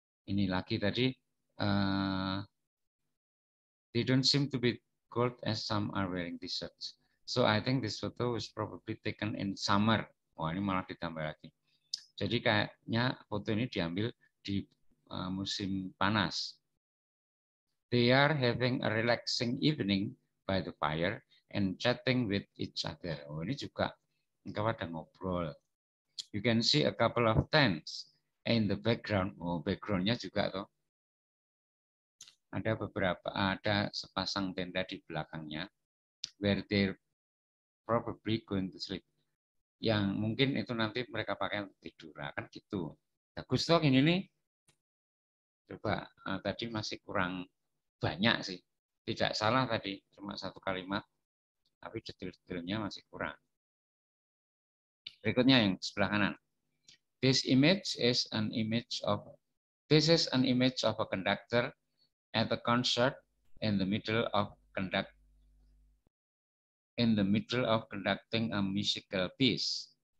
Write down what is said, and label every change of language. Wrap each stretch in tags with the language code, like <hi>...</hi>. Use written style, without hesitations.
<en>Ini lagi tadi, they don't seem to be cold as some are wearing t-shirts. So I think this photo was probably taken in summer.</en> <id>Oh, ini malah ditambah lagi. Jadi kayaknya foto ini diambil di musim panas.</id> <en>They are having a relaxing evening by the fire and chatting with each other.</en> <id>Oh, ini juga mereka pada ngobrol.</id> <en>You can see a couple of tents in the background.</en> <id>Oh, background-nya juga tuh. Ada beberapa, ada sepasang tenda di belakangnya</id> <en>where they're probably going to sleep.</en> <id>Yang mungkin itu nanti mereka pakai untuk tidur, kan gitu. Bagus tuh ini nih. Coba, tadi masih kurang banyak sih. Tidak salah tadi, cuma satu kalimat. Tapi detail-detailnya masih kurang. Berikutnya yang sebelah kanan.</id> <en>This is an image of a conductor at a concert in the middle of conducting a musical piece.</en>